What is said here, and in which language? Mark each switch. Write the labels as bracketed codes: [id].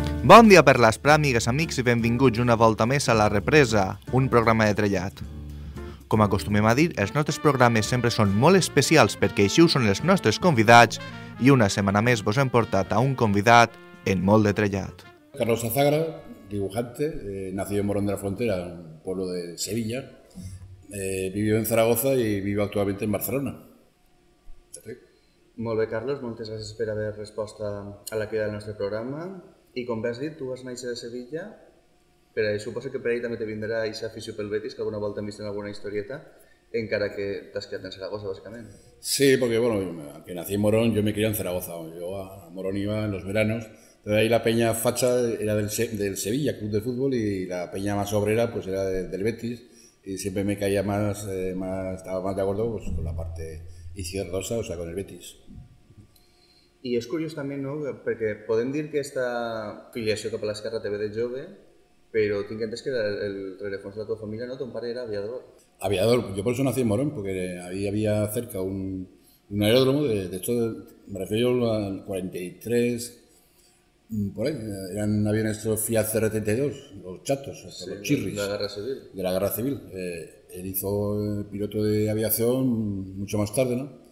[ca] Bon dia per les pràmigues, amics, i benvinguts una volta més a La Represa, un programa de trellat. Com acostumem a dir, els nostres programes sempre són molt especials perquè així ho són els nostres convidats i una setmana més vos hem portat a un convidat en molt de trellat. [es] Carlos Azagra, dibujante, nacido en Morón de la Frontera, un pueblo de Sevilla, vivió en Zaragoza y vive actualmente en Barcelona. [ca] Molt bé, Carlos, moltes gràcies per haver respost a la crida del nostre programa. I com has dit, tu vas néixer de Sevilla, però suposo que per ahir també te vindrà aquesta afició pel Betis, que alguna volta hem vist en alguna historieta, encara que t'has quedat en Zaragoza, bàsicament. [es] Sí, perquè, bueno, que nací en Morón, jo me crié en Zaragoza. Jo a Morón iba en los veranos. De ahí la peña facha era del Sevilla, club de fútbol, y la peña más obrera pues era del Betis, y siempre me caía estaba más de acuerdo pues, con la parte izquierdosa, o sea, con el Betis. [ca] I és curiós també, no?, perquè podem dir que aquesta filiació cap a l'esquerra te ve de jove, però tinc entès que el rerefons de la teva família, no?, ton pare era aviador. [es] Aviador, [ca] jo per això [es] nací en Morón, perquè ahí havia cerca un aeródromo, de hecho, me refiero al 43, por ahí, eran aviones de Fiat CR-32, los chatos, hasta sí, los chirris. De la Guerra Civil. Él hizo piloto de aviación mucho más tarde, ¿no?